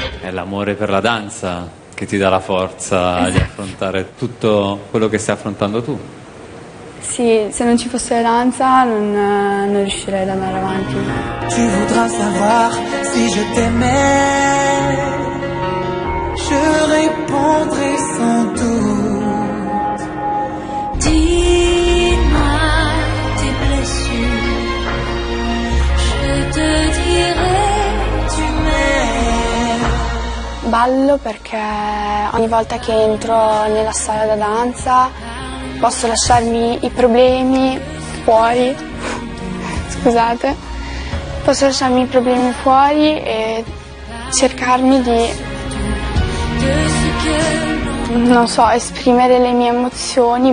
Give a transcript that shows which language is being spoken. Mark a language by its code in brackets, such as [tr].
[it] L'amore per la danza che ti dà la forza, esatto, di affrontare tutto quello che stai affrontando tu. Sì, se non ci fosse la danza non riuscirei ad andare avanti. [fr] Tu voudras savoir si je t'aimais, je répondrai sans doute. Dis-moi tes blessures, je te dirai. [it] Ballo perché ogni volta che entro nella sala da danza posso lasciarmi i problemi fuori, scusate, posso lasciarmi i problemi fuori e cercarmi di, non so, esprimere le mie emozioni.